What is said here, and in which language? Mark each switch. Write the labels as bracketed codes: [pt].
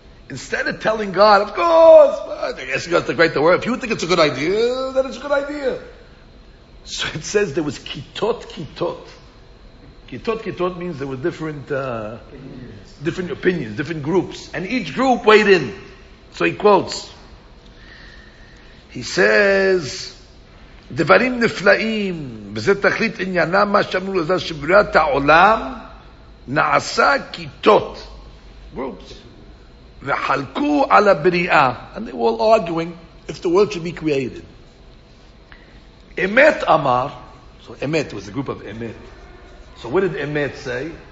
[en] Instead of telling God, of course, I guess God's the great, the world. If you think it's a good idea, then it's a good idea. So it says there was kitot kitot. Kitot kitot means there were different opinions, different groups. And each group weighed in. So he quotes. He says, [he] דברים נפלאים, וזה תכלית עניינה מה שאמרו לזה שבריאת העולם נעשה כיתות, groups, וחלקו על הבריאה. [en] And they were all arguing if the world should be created. [he] אמת אמר, [en] so אמת was a group of אמת. So what did אמת say?